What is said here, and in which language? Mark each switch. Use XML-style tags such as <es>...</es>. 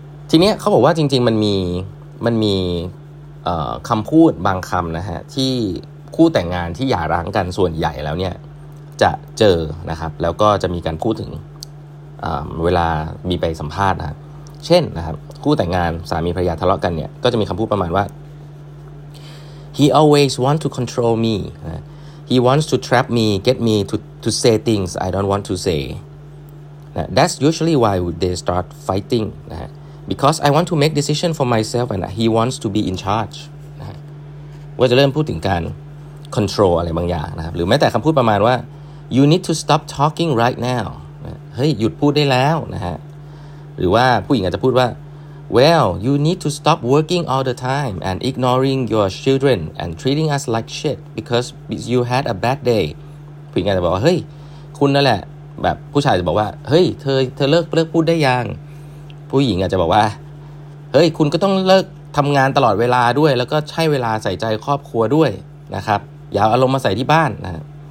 <th>ทีนี้เขาบอกว่าจริงๆมันมีคำพูดบางคำนะฮะที่คู่แต่งงานที่อย่าร้างกันส่วนใหญ่แล้วเนี่ยจะเจอนะครับแล้วก็จะมีการพูดถึง เวลามีไปสัมภาษณ์นะเช่นนะครับคู่แต่งงานสามีภรรยาทะเลาะกันเนี่ยก็จะมีคำพูดประมาณว่า</th> <en>he always want to control me he wants to trap me get me to say</en> <th>things I don't want to say</th> <en>That's usually why they start fighting. Because I want to make decision for myself and he wants to be in charge.</en> <th>ว่าจะเริ่มพูดถึงการ control อะไรบางอย่างนะครับหรือแม้แต่คำพูดประมาณว่า</th> <en>you need to stop talking right now.</en> <th>เฮ้ยหยุดพูดได้แล้วนะฮะหรือว่าผู้หญิงอาจจะพูดว่า</th> <en>well you need to stop working all the time and ignoring your children and treating us like shit because you had a bad day.</en> <th>ผู้หญิงอาจจะบอกว่าเฮ้ยคุณนั่นแหละแบบผู้ชายจะบอกว่าเฮ้ยเธอเลิกพูดได้ยังผู้หญิงอาจจะบอกว่าเฮ้ยคุณก็ต้องเลิกทำงานตลอดเวลาด้วยแล้วก็ใช้เวลาใส่ใจครอบครัวด้วยนะครับอย่าเอาอารมณ์มาใส่ที่บ้านนะ</th>